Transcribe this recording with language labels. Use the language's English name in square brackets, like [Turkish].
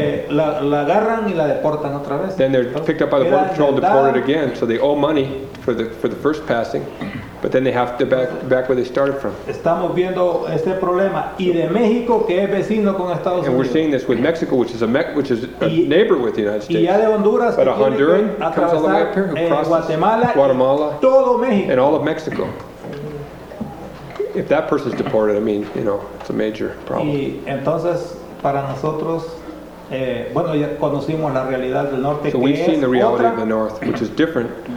[Spanish] la agarran y la deportan otra vez. [English] Then they're entonces, picked up by the Border Patrol and deported again. So they owe money for the first passing, but then they have to back where they started from. [Spanish] Estamos viendo este problema y de México que es vecino con Estados Unidos. [English] And we're seeing this with Mexico, which is a neighbor with the United States. [Spanish] Y ya de Honduras, [English] but a Honduran comes all the way up here, who crosses [Spanish] Guatemala, todo México, [English] and all of Mexico. If that person is deported, it's a major problem. [Spanish] Y entonces para nosotros, ya conocimos la realidad del norte, [English] so we've seen the reality of the north, which is different